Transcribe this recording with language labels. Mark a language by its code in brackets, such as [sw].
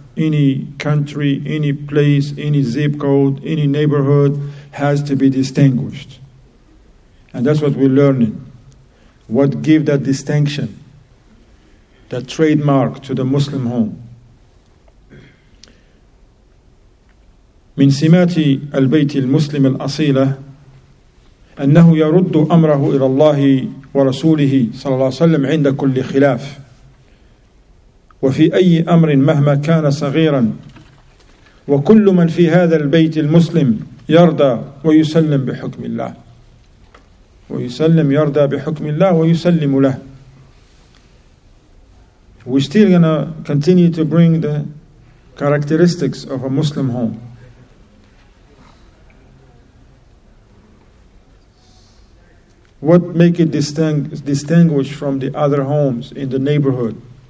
[en] Any country, any place, any zip code, any neighborhood has to be distinguished. And that's what we're learning. What gives that distinction? The trademark to the Muslim home. [ar] من سمات البيت المسلم الأصيلة أنه يرد أمره إلى الله ورسوله صلى الله عليه وسلم عند كل خلاف وفي أي أمر مهما كان صغيرا، وكل من في هذا البيت المسلم يرضى ويسلم بحكم الله ويسلم يرضى بحكم الله ويسلم له. [en] We're still going to continue to bring the characteristics of a Muslim home. What makes it distinguished from the other homes in the neighborhood?